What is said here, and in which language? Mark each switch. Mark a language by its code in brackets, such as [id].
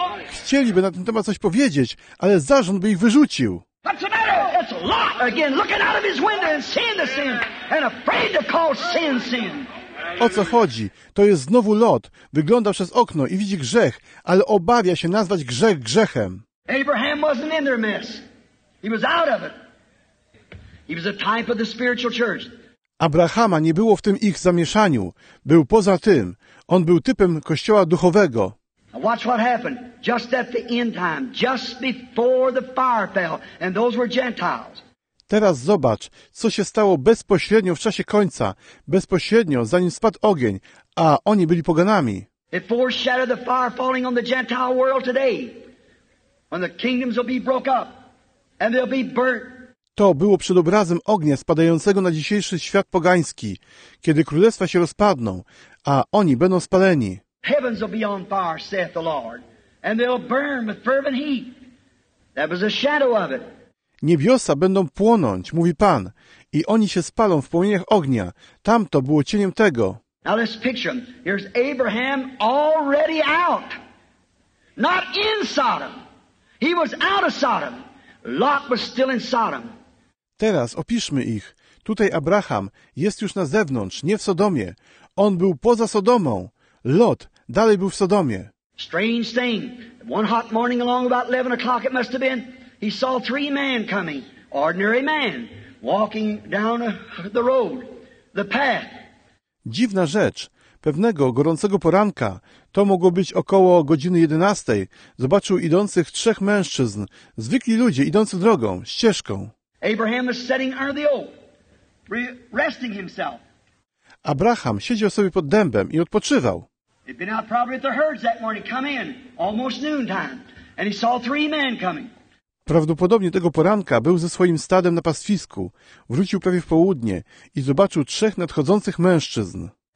[pl] Chcieliby na ten temat coś powiedzieć, ale zarząd by ich wyrzucił. [en] It's Lot again, looking out of his window and seeing the sin, and afraid to call sin sin. [pl] o co chodzi. To jest znowu Lot. Wygląda przez okno i widzi grzech, ale obawia się nazwać grzech grzechem. [en] Abraham wasn't in their mess. He was out of it. He was a type of the spiritual church. [pl] Abrahama nie było w tym ich zamieszaniu. Był poza tym. On był typem kościoła duchowego. [en] Watch what happened. Just at the end time, just before the fire fell, and those were Gentiles. [pl] Teraz zobacz, co się stało bezpośrednio w czasie końca, bezpośrednio zanim spadł ogień, a oni byli poganami. [en] It foreshadowed the fire falling on the Gentile world today, when the kingdoms will be broke up and they'll be burnt. [pl] To było przedobrazem ognia spadającego na dzisiejszy świat pogański, kiedy królestwa się rozpadną, a oni będą spaleni. [en] Heavens will be on fire, saith the Lord, and they'll burn with fervent heat. That was a shadow of it. [pl] Niebiosa będą płonąć, mówi Pan, i oni się spalą w płomieniach ognia. Tamto było cieniem tego. [en] Now let's picture them. Here's Abraham already out. Not in Sodom. He was out of Sodom. Lot was still in Sodom. [pl] Teraz opiszmy ich. Tutaj Abraham jest już na zewnątrz, nie w Sodomie. On był poza Sodomą. Lot dalej był w Sodomie. [en] Strange thing. One hot morning along about 11 o'clock it must have been. He saw three men coming, ordinary man, walking down the road, the path. [pl] Dziwna rzecz. Pewnego gorącego poranka, to mogło być około godziny 11, zobaczył idących trzech mężczyzn, zwykli ludzie idący drogą, ścieżką. [en] Abraham was sitting under the oak, resting himself. [pl] Abraham siedział sobie pod dębem i odpoczywał. [en] He'd been out probably at the herds that morning, come in, almost noontime, and he saw three men coming. [pl] Prawdopodobnie tego poranka był ze swoim stadem na pastwisku. Wrócił prawie w południe i zobaczył trzech nadchodzących mężczyzn.